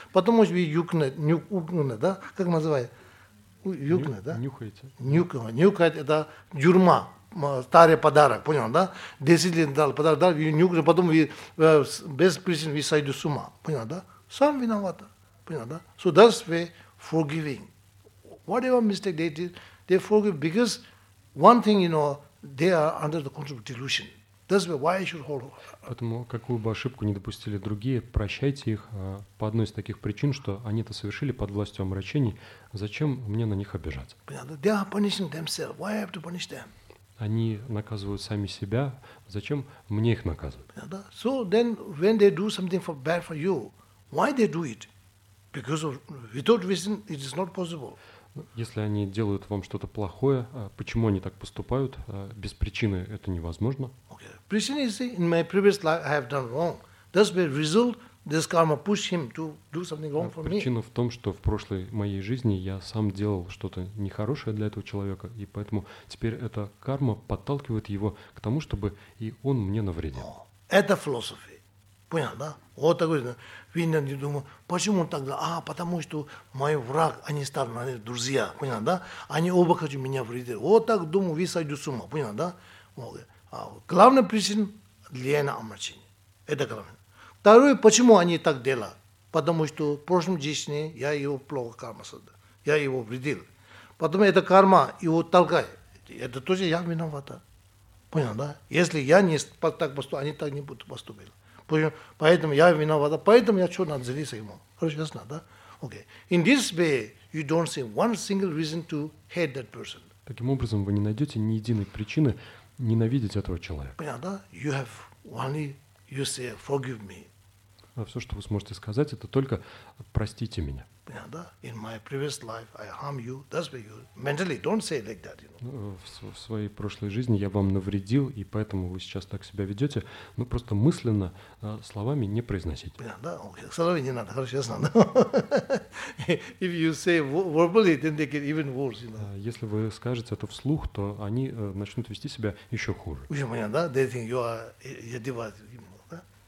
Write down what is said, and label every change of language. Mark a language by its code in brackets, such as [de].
[ru] Потом может быть нюкнет, да? Как называется? Нюкнет, да? Нюхаете. Нюкает это дюрма. Старый подарок, понял, да? 10 лет дал подарок, дал, нюкнул, потом без причин вы сойду с ума, понял, да? Сам виноват, понял, да? [en] So that's way forgiving. Whatever mistake they did, they forgive because one thing, you know, they are under the control of delusion. That's why I should hold on. [ru] Поэтому какую бы ошибку не допустили другие, прощайте их по одной из таких причин, что они это совершили под властью омрачений. Зачем мне на них обижаться? Понял, да? [en] They are punishing themselves. Why I have to punish them? [ru] Они наказывают сами себя. Зачем мне их наказывать? [en] Yeah, so then, when they do something for bad for you, why they do it? Because of, without reason, it is not possible. [ru] Если они делают вам что-то плохое, почему они так поступают? Без причины это невозможно. [en] Okay. Причина is in my previous life I have done wrong. That's the result. this karma push him to do something wrong for me. [ru] Причина в том, что в прошлой моей жизни я сам делал что-то нехорошее для этого человека, и поэтому теперь эта карма подталкивает его к тому, чтобы и он мне навредил. Это философия. Понял, да? Вот такой, видно, не думаю, почему он так говорит? А, потому что мой враг, они старые, они друзья, понял, да? Они оба хотят меня вредить. Вот так думаю, вы сойду с ума, понял, да? А главная причина – влияние омрачения. Это главное. Второе, почему они так делают? Потому что в прошлом жизни я его плохо карма создал. Я его вредил. Потом эта карма его толкает. Это тоже я виноват. Понял, да? Если я не так поступил, они так не будут поступить. Поэтому я виноват, поэтому я чёрно отзывился ему. Хорошо, ясно, да? Okay. [en] In this way, you don't see one single reason to hate that person. [ru] Таким образом, вы не найдете ни единой причины ненавидеть этого человека. Понятно, да? [en] You have only, you say, forgive me. [ru] А все, что вы сможете сказать, это только простите меня. Понятно, да? [en] In my previous life, I harm you. That's why you mentally don't say like that, you know. [ru] В своей прошлой жизни я вам навредил, и поэтому вы сейчас так себя ведете. Ну, просто мысленно словами не произносить. Понятно, да? Okay. Словами не надо, хорошо, ясно, да? [en] If you say verbally, then they get even worse, you know. [ru] Если вы скажете это вслух, то они начнут вести себя еще хуже. Очень понятно, да? [en] They think you are a divat, you know, да?